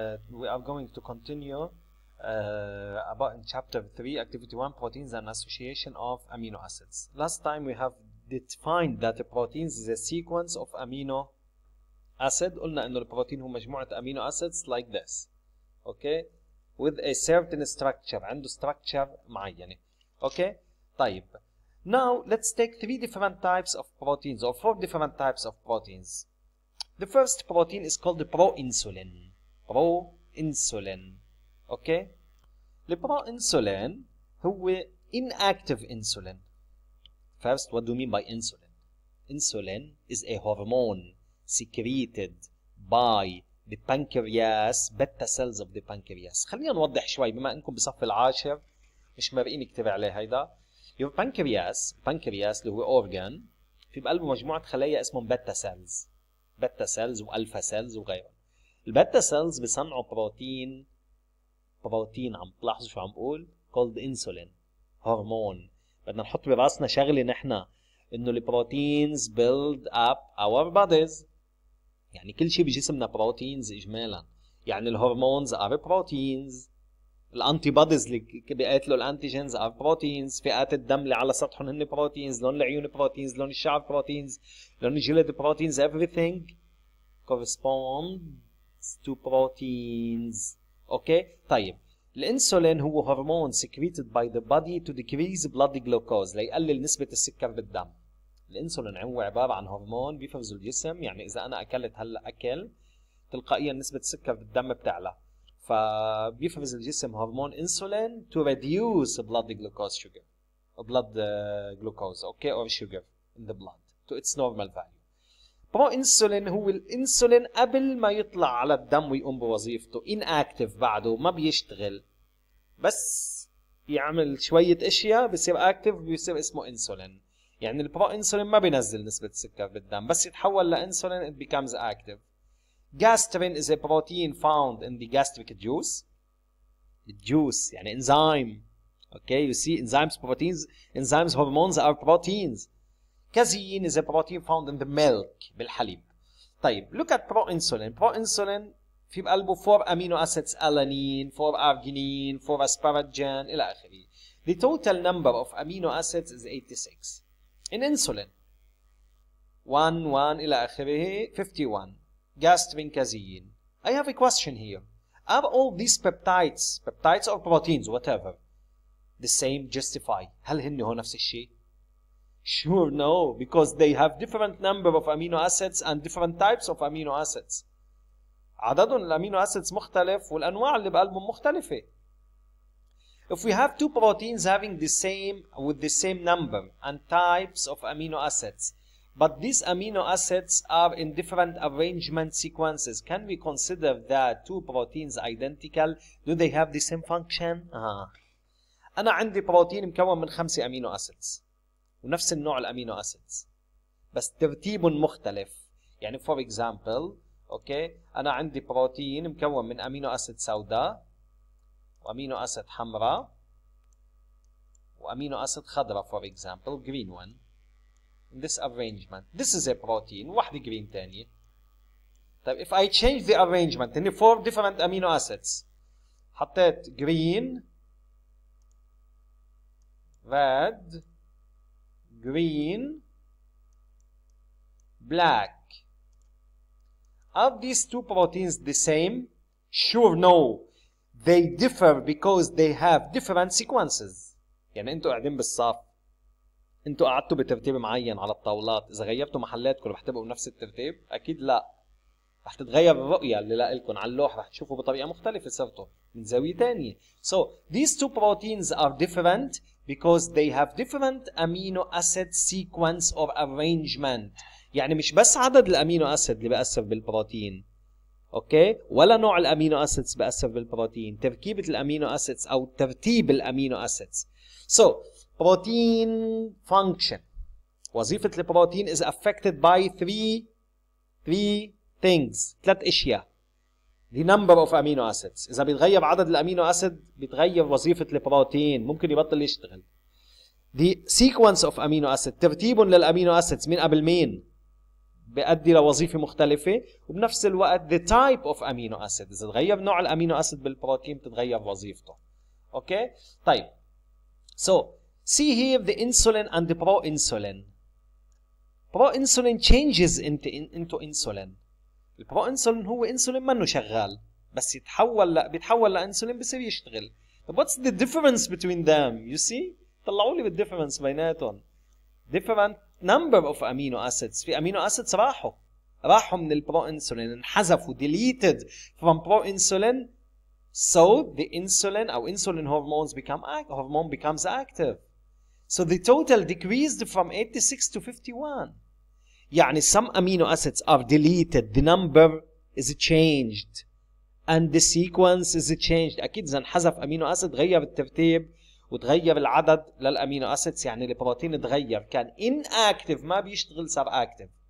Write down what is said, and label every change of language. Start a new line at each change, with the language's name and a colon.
English: We are going to continue about in chapter 3, activity 1, proteins and association of amino acids. Last time we have defined that the proteins is a sequence of amino acid.
Arabic: قلنا انه البروتين هو مجموعة
English: amino acids like this. Okay? With a certain structure.
Arabic: عنده structure معينة.
English: Okay?
Arabic: طيب.
English: Now, let's take three different types of proteins or four different types of proteins. The first protein is called the proinsulin. Proinsulin. Okay? The proinsulin هو inactive insulin. First, what do you mean by insulin? Insulin is a hormone secreted by the pancreas, beta cells of the pancreas.
Arabic: خلينا نوضح شوي بما انكم بصف العاشر مش مرئين كتير عليه هيدا.
English: Your pancreas,
Arabic: pancreas اللي هو organ, في بقلبه مجموعة خلايا اسمهم beta cells. بيتا سيلز والفا سيلز وغيره. البيتا سيلز بصنعوا بروتين عم تلاحظوا شو عم بقول؟
English: called insulin
Arabic: هرمون. بدنا نحط براسنا شغله نحن انه البروتينز
English: Build up our bodies.
Arabic: يعني كل شيء بجسمنا بروتينز اجمالا. يعني الهرمونز ار بروتينز. الانتي بوديز اللي بيقاتلوا الانتيجنز ار بروتينز. فئات الدم اللي على سطحهم هن بروتينز. لون العيون بروتينز. لون الشعر بروتينز. لون الجلد بروتينز.
English: Everything corresponds to proteins.
Arabic: اوكي؟ طيب الانسولين هو هرمون
English: secreted by the body to decrease blood glucose
Arabic: ليقلل نسبه السكر بالدم. الانسولين هو عباره عن هرمون بيفرزه الجسم. يعني اذا انا اكلت هلا اكل تلقائيا نسبه السكر بالدم بتعلى. فبيفرز الجسم هرمون انسولين
English: to reduce blood glucose sugar blood glucose okay or sugar in the blood to its normal value.
Arabic: Proinsulin هو الانسولين قبل ما يطلع على الدم ويقوم بوظيفته inactive بعده ما بيشتغل بس بيعمل شوية اشياء بيصير active بيصير اسمه انسولين. يعني البروinsulin ما بينزل نسبة السكر بالدم بس يتحول لانسولين
English: it becomes active. Gastrin is a protein found in the gastric juice. Juice, يعني enzyme. Okay, you see, enzymes, proteins, enzymes, hormones are proteins. Casein is a protein found in the milk, بالحليب. طيب, look at proinsulin. Proinsulin,
Arabic: في بقلبه
English: four amino acids, alanine, four arginine, four asparagine,
Arabic: إلى آخره.
English: The total number of amino acids is 86. In insulin, 1, 1,
Arabic: إلى آخره,
English: 51. Gastrin, casein. I have a question here. Are all these peptides or proteins, whatever, the same? Justify.
Arabic: هل هن هو نفس الشيء?
English: Sure, no, because they have different number of amino acids and different types of amino acids.
Arabic: عددهم الأمينو أسيدز مختلف والأنواع اللي بقلبهم مختلفة.
English: If we have two proteins having the same with the same number and types of amino acids. But these amino acids are in different arrangement sequences. Can we consider that two proteins identical? Do they have the same function?
Arabic: أنا عندي بروتين مكون من خمسة amino acids. ونفس النوع الأمينو acids. بس ترتيب مختلف. يعني for example, okay, أنا عندي بروتين مكون من amino acid سوداء وamino acid حمراء وamino acid خضراء
English: for example, green one. This arrangement. This is a protein.
Arabic: واحد green تاني.
English: طيب if I change the arrangement in four different amino acids.
Arabic: حطيت
English: green, red, green, black. Are these two proteins the same? Sure, no. They differ because they have different sequences.
Arabic: يعني انتوا قاعدين بالصف. انتوا قعدتوا بترتيب معين على الطاولات، إذا غيرتوا محلاتكم رح تبقوا بنفس الترتيب؟ أكيد لا. رح تتغير الرؤية اللي لكم على اللوح رح تشوفوا بطريقة مختلفة صرتوا من زاوية ثانية.
English: So these two proteins are different because they have different amino acid sequence or arrangement.
Arabic: يعني مش بس عدد الأمينو أسيد اللي بأثر بالبروتين. أوكي؟ ولا نوع الأمينو أسيد بأثر بالبروتين، تركيبة الأمينو أسيد أو ترتيب الأمينو أسيد.
English: So protein function.
Arabic: وظيفة البروتين
English: is affected by three things.
Arabic: ثلاث اشياء.
English: The number of amino acids.
Arabic: إذا بيتغير عدد الأمينو أسيد بيتغير وظيفة البروتين. ممكن يبطل يشتغل.
English: The sequence of amino acids.
Arabic: ترتيبهم للأمينو أسيدز. مين قبل مين؟ بيؤدي لوظيفه مختلفه، وبنفس الوقت
English: the type of amino acid،
Arabic: اذا تغير نوع الامينو اسيد بالبروتين بتتغير وظيفته.
English: Okay طيب، so see here the insulin and the proinsulin. Proinsulin changes into insulin.
Arabic: Proinsulin هو انسولين منه شغال، بس بيتحول لانسولين بصير يشتغل.
English: What's the difference between them? You see؟
Arabic: طلعوا لي بالديفرنس بيناتهم.
English: Different number of amino acids.
Arabic: في amino acids راحوا من الproinsulin، انحذفوا
English: deleted from proinsulin. So the insulin or insulin hormones becomes active. So the total decreased from 86 to 51. يعني some amino acids are deleted. The number is changed. And the sequence is changed.
Arabic: أكيد إذا انحذف أمينو أسيد غير الترتيب وتغير العدد للأمينو أسيد، يعني البروتين تغير، كان inactive ما بيشتغل صار active.